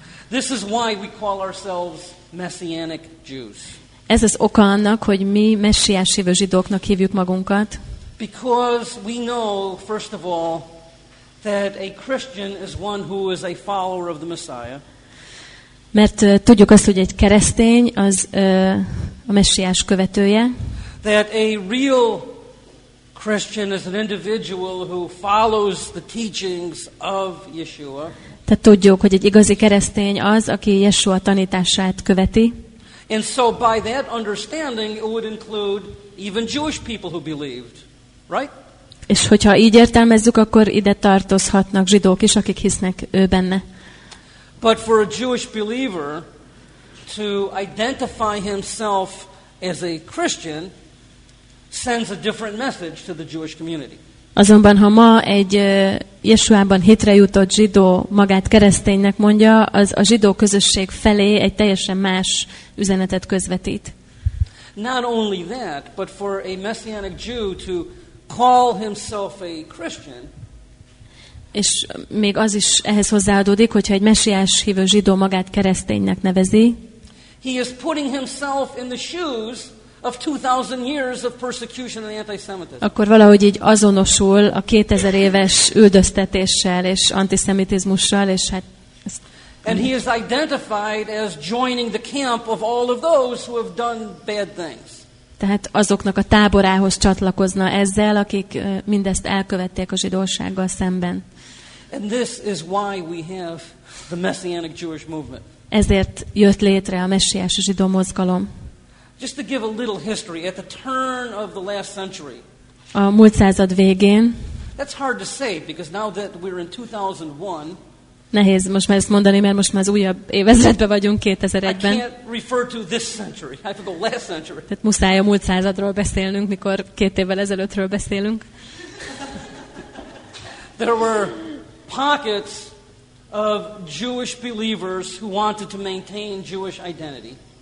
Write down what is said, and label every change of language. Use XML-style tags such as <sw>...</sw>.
<en>This is why we call ourselves Messianic Jews.</en> <hu>Ez az oka annak, hogy mi messiás hívő zsidóknak hívjuk magunkat.</hu> <en>Because we know, first of all, that a Christian is one who is a follower of the Messiah.</en> <hu>Mert tudjuk azt, hogy egy keresztény az a messiás követője.</hu> <en>That a real Christian is an individual who follows the teachings of Yeshua.</en> <hu>Tehát tudjuk, hogy egy igazi keresztény az, aki Yeshua tanítását követi.</hu> <en>And so by that understanding it would include even Jewish people who believed, right?</en> <hu>És hogyha így értelmezzük, akkor ide tartozhatnak zsidók is, akik hisznek ő benne.</hu> <en>But for a Jewish believer to identify himself as a Christian sends a different message to the Jewish community.</en> <hu>Azonban ha ma egy Yeshuában hitre jutott zsidó magát kereszténynek mondja, az a zsidó közösség felé egy teljesen más üzenetet közvetít.</hu> <en>Not only that, but for a messianic Jew to call himself a Christian.</en> <hu>És még az is ehhez hozzáadódik, hogyha egy messiás hívő zsidó magát kereszténynek nevezi.</hu> <en>He is putting himself in the shoes of 2000 years of persecution and antisemitism.</en> <hu>Akkor valahogy így azonosul a 2000 éves üldöztetéssel és antiszemitizmussal, és hát ezt...</hu> <en>And he is identified as joining the camp of all of those who have done bad things.</en> <hu>Tehát azoknak a táborához csatlakozna ezzel, akik mindezt elkövették a zsidósággal szemben.</hu> <en>And this is why we have the messianic Jewish movement.</en> <hu>Ezért jött létre a messiás zsidó mozgalom.</hu> <en>Just to give a little history at the turn of the last century.</en> <hu>A múlt század végén.</hu> <en>That's hard to say because now that we're in 2001.</en> <hu>Nehéz most már ezt mondani, mert most már az újabb évezredben vagyunk, 2001-ben.</hu> <en>I can't refer to this century. I have to go last century.</en> <hu>Tehát muszáj a múlt századról beszélnünk, mikor két évvel ezelőttről beszélünk.</hu> <en>There were pockets of Jewish believers who wanted to maintain Jewish identity.</en>